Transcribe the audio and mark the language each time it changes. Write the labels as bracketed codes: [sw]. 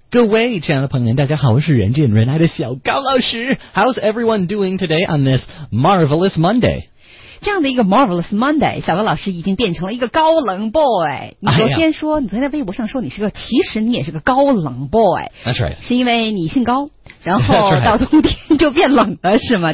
[zh] 各位亲爱的朋友们，大家好，我是人见人爱的小高老师。 [en] How's everyone doing today on this marvelous Monday? [zh] 这样的一个 marvelous Monday, 小高老师已经变成了一个高冷 boy。你昨天在微博上说你是个，其实你也是个高冷 boy。 [en] That's right. [zh] 是因为你姓高，然后到冬天就变冷了，是吗？